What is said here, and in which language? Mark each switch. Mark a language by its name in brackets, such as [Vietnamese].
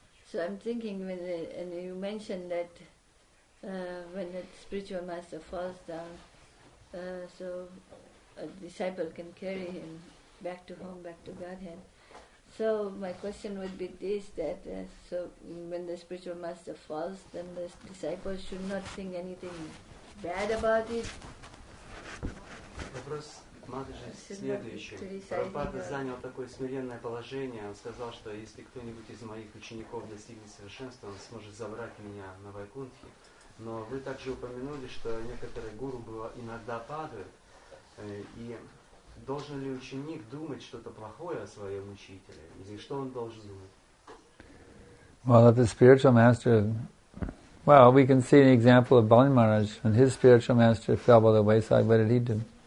[English] So I'm thinking, and you mentioned that when the spiritual master falls down, so a disciple can carry him back to home, back to Godhead. So my question would be this, that so when the spiritual master falls, then the disciple should not think anything bad about it. [Russian] Вопрос Матаджи следующий. Прабхупада занял такое смиренное положение. Он сказал, что если кто-нибудь из моих учеников достигнет совершенства, он сможет забрать меня на Вайкунтхе. Но вы также упомянули, что некоторые гуру иногда падают. И должен ли ученик думать что-то плохое о своем учителе? Или что он должен думать? [English] Well, the spiritual master... Well, we can see an example of Balin Maharaj when his spiritual master fell by the wayside. What did he do?